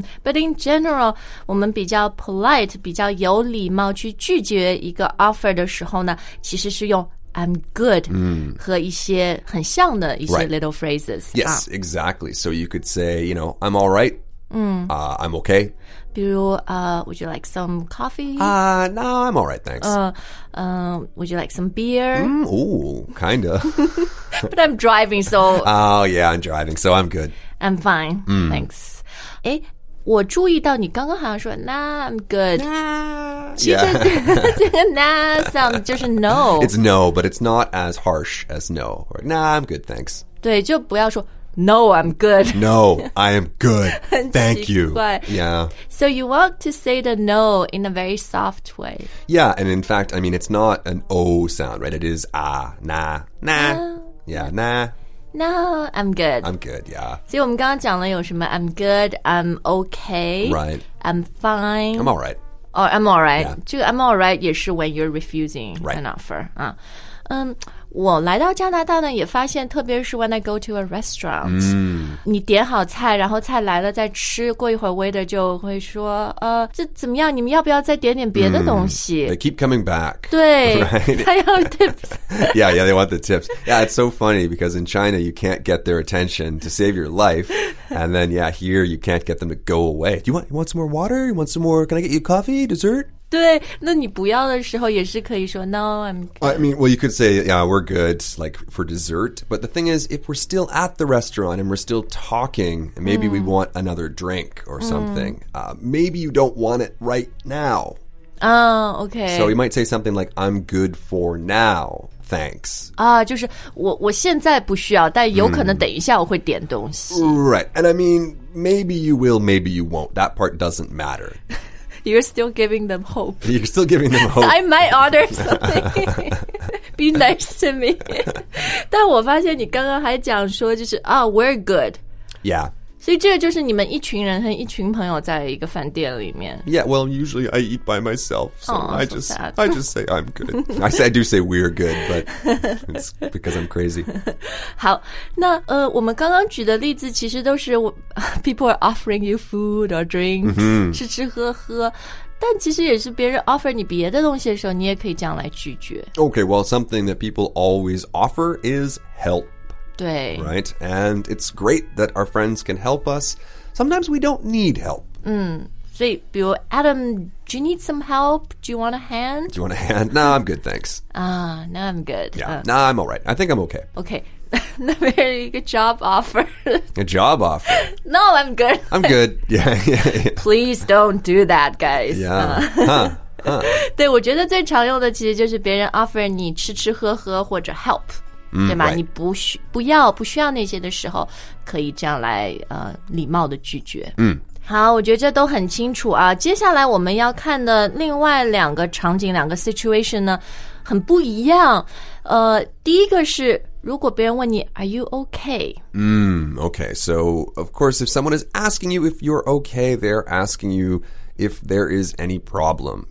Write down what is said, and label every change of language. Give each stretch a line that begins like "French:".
English: But in general,
Chinese: 我们比较 polite, 比较有礼貌去拒绝一个 offer 的时候呢其实是用 I'm good 和一些很像的一些 little phrases.
English: Yes, exactly. So you could say, you know, I'm all right. I'm okay. 比如would you like some coffee? No, I'm all right, thanks. Would you like some beer? Kinda. But I'm driving, so... Oh, yeah, I'm driving, so I'm good. I'm fine, thanks.
Chinese: 诶，我注意到你刚刚好像说
English: Nah, I'm good. Nah.
Chinese: 其实这个 Nah sound 就是 No.
English: It's No, but it's not as harsh as No. Or, nah, I'm good, thanks.
Chinese: 对，就不要说
English: No, I'm good. No, I am good. Thank you. Yeah. So you want to say the no in a very soft way. Yeah, and in fact, I mean, it's not an O sound, right? It is ah, nah, nah. Yeah, nah. No, I'm good. I'm good, yeah.
Chinese: 所以我们刚刚讲了有什么 I'm good, I'm okay.
English: Right. I'm fine. I'm all right. Oh, I'm all right. Yeah. 这个 I'm all right 也是 when you're refusing an offer. Right.
Chinese: 我来到加拿大呢也发现特别是
English: when I go to a restaurant、
Chinese: 你点好菜然后菜来了再吃过一会儿 waiter 就会说这怎么样你们要不要再点点别的东西、
English: They keep coming back
Chinese: 对、
English: right?
Chinese: 他要 tips
English: Yeah, yeah, they want the tips Yeah, it's so funny because in China you can't get their attention to save your life And then, yeah, here you can't get them to go away Do you want some more water? You want some more, can I get you coffee, dessert?
Chinese: 对那你不要的时候也是可以说
English: No, I'm good. I mean, well, you could say, yeah, we're good, like, for dessert. But the thing is, if we're still at the restaurant and we're still talking, maybe we want another drink or something, maybe you don't want it right now. Oh, okay. So you might say something like, I'm good for now. Thanks.
Chinese: 就是我现在不需要，但有可能等一下我会点东西。
English: Right. And I mean, maybe you will, maybe you won't. That part doesn't matter. You're still giving them hope. You're still giving them hope. I might order something. Be nice to me.
Chinese: 但我发现你刚刚还讲说就是
English: we're good. Yeah.
Chinese: 所以这个就是你们一群人和一群朋友在一个饭店里面。
English: Yeah, well, usually I eat by myself, so, so sad. I just say I'm good. I do say we're good, but it's because I'm crazy.
Chinese: 好，那我们刚刚举的例子其实都是
English: people are offering you food or drinks,、
Chinese: 吃吃喝喝。但其实也是别人 offer 你别的东西的时候，你也可以这样来拒绝。
English: Okay, well, something that people always offer is help.
Chinese: 对
English: right, and it's great that our friends can help us. Sometimes we don't need help. 所以比如 Adam, do you need some help? Do you want a hand? Do you want a hand? No, I'm good, thanks. No, I'm good. Yeah, no, I'm all right. I think I'm okay.
Chinese: Okay, 那边有一个 job offer.
English: A job offer? No, I'm good. I'm good, yeah. Please don't do that, guys. Yeah,
Chinese: 对，我觉得最常用的其实就是别人 offer 你吃吃喝喝或者 help、嗯、对吗、
English: right.
Chinese: 你不需不要不需要那些的时候可以这样来、礼貌的拒绝。嗯，好，我觉得这都很清楚啊。接下来我们要看的另外两个场景，两个 situation 呢很不一样。第一个是如果别人问你
English: Are you okay? Okay, so of course if someone is asking you if you're okay, they're asking you if there is any problem.